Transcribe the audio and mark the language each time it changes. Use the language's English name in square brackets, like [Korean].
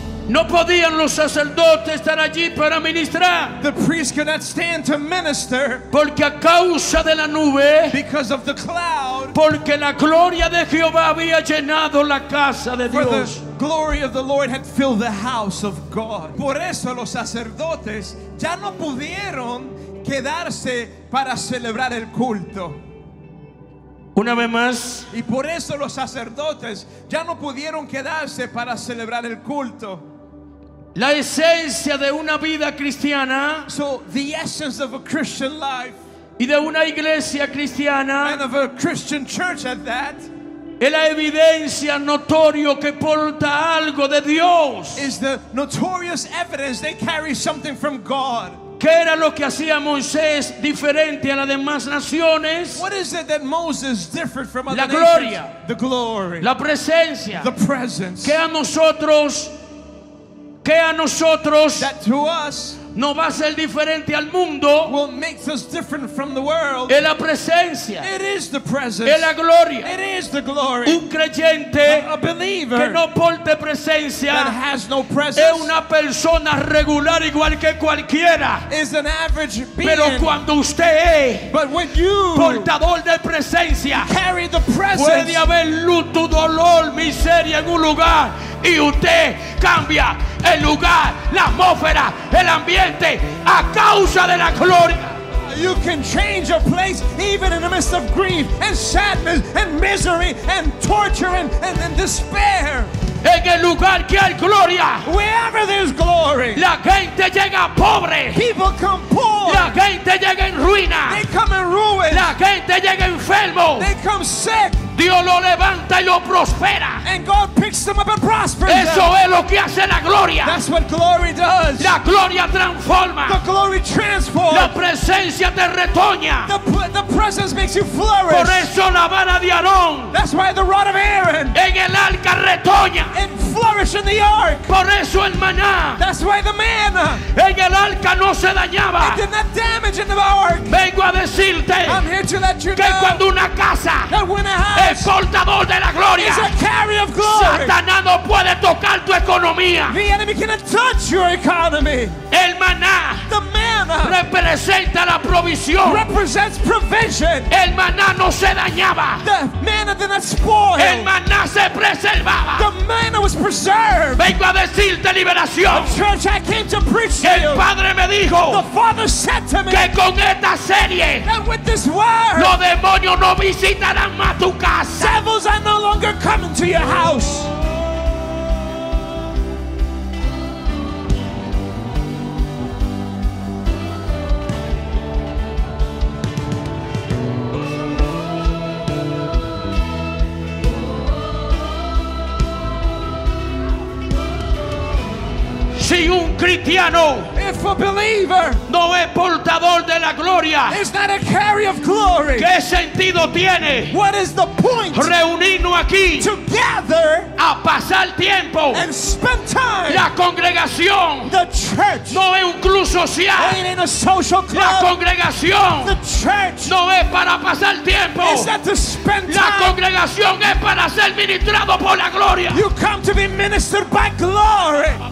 [Spanish] No podían los sacerdotes estar allí para ministrar. [English] The priest could not stand to minister. [Spanish] Porque a causa de la nube. [English] Because of the cloud. [Spanish] Porque la gloria de Jehová había llenado la casa de Dios. [English] For the glory of the Lord had filled the house of God. [Spanish] Por eso los sacerdotes ya no pudieron quedarse para celebrar el culto. Una vez más. Y por eso los sacerdotes ya no pudieron quedarse para celebrar el culto. La esencia de una vida cristiana. [English] So the essence of a Christian life. [Spanish] Y de una iglesia cristiana. [English] And of a Christian church at that. [Spanish] Es la evidencia notorio que porta algo de Dios. [English] Is the notorious evidence they carry something from God. [Spanish] ¿Qué era lo que hacía Moisés diferente a las demás naciones? [English] What is it that Moses differed from other [Spanish] nations? La gloria. [English] The glory. [Spanish] La presencia. [English] The presence. [Spanish] Que a nosotros. Que a nosotros nos va a ser diferente al mundo es la presencia, es la gloria. [English] It is the glory. [Spanish] Un creyente [English] a believer [Spanish] que no porte presencia no es una persona regular igual que cualquiera, [English] is an average being. [Spanish] Pero cuando usted es portador de presencia, [English] carry the presence, [Spanish] puede haber luto, dolor, miseria en un lugar y usted cambia el lugar, la atmósfera, el ambiente, a causa de la gloria. [English] You can change a place even in the midst of grief and sadness and misery and torture and despair. [Spanish] En el lugar que hay gloria, [English] wherever there's glory, [Spanish] la gente llega pobre. [English] People come poor. [Spanish] La gente llega en ruina. [English] They come in ruin. [Spanish] La gente llega enfermo. [English] They come sick. [Spanish] Dios lo levanta y lo prospera. [English] And God picks them up and prospers them. [Spanish] Eso es lo que hace la gloria. [English] That's what glory does. [Spanish] La gloria transforma. [English] The glory transforms. [Spanish] La presencia te retoña. [English] The presence makes you flourish. [Spanish] Por eso la vara de Aarón. [English] That's why the rod of Aaron. [Spanish] En el arca retoña. [English] It flourishes in the ark. [Spanish] Por eso el maná. [English] That's why the manna. [Spanish] En el arca no se dañaba. [English] It did not damage in the ark. [Spanish] Vengo a decirte. [English] I'm here to let you [Spanish] que [English] know. [Spanish] Que cuando una casa. [English] That when a house. [Spanish] El portador de la gloria. [English] He's a carry of glory. [Spanish] Satanás no puede tocar tu economía. [English] The enemy cannot touch your economy. [Spanish] El maná. [English] The manna. [Spanish] Representa la provisión. [English] Represents provision. [Spanish] El maná no se dañaba. [English] The manna did not spoil. [Spanish] El maná se preservaba. [English] The manna was preserved. [Spanish] Vengo a decirte liberación. [English] The church, I came to preach to [Spanish] you. El padre me dijo. [English] The father said to me. [Spanish] Que con esta serie. [English] That with this word. [Spanish] Los demonios no visitarán más tu casa. [English] Devils are no longer coming to your house. Oh. [Spanish] Si un cristiano, [English] if a believer, [Spanish] no es portador de la gloria, [English] is not a carrier of glory, [Spanish] ¿qué sentido tiene? [English] What is the point? [Spanish] Reunirnos aquí, [English] to gather, [Spanish] a pasar tiempo, [English] and spend time. [Spanish] La congregación, [English] the church, [Spanish] no es un club social, [English] ain't in a social club. [Spanish] La congregación, [English] the church, [Spanish] no es para pasar tiempo, [English] is not to spend time. [Spanish] La congregación es para ser ministrado por la gloria. [English] You come to be ministered by glory.